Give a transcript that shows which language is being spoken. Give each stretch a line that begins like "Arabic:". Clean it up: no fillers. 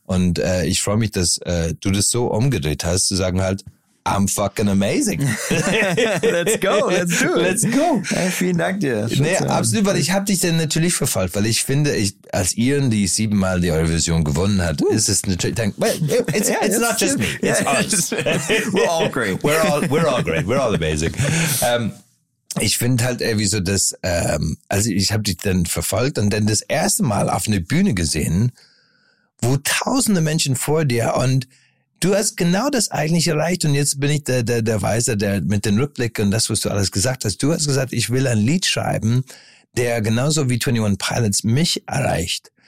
German: Und ich freue mich, dass du das so umgedreht hast, zu sagen halt,
English: I'm fucking amazing. Let's go, let's do it. Let's go.
German: Hey, vielen Dank dir. Nee, absolut, weil ich habe dich dann natürlich verfolgt, weil ich finde, ich als Ian, die 7-mal die Eurovision gewonnen hat, ist es natürlich,
English: it's not just me, it's us. We're all great. We're all great, we're all amazing.
German: Ich finde halt irgendwie so, dass, also ich habe dich dann verfolgt und dann das erste Mal auf eine Bühne gesehen, wo tausende Menschen vor dir und du hast genau das eigentlich erreicht und jetzt bin ich der Weiser, der mit dem Rückblick und das, was du alles gesagt hast. Du hast gesagt, ich will ein Lied schreiben, der genauso wie 21 Pilots mich erreicht.